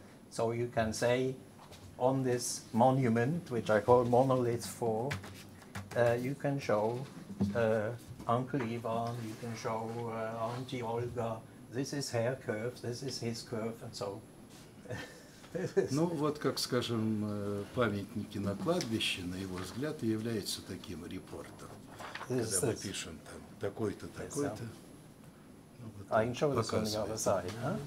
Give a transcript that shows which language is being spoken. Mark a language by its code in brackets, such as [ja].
[en] So you can say on this monument, which I call Monolith 4. You can show Uncle Ivan, you can show Auntie Olga, this is her curve, this is his curve, and so... [ru] Ну, вот как, скажем, памятники на кладбище, на его взгляд, является таким репортом. Когда мы пишем там, такой-то, такой-то... [en] I can show this on the other side, huh?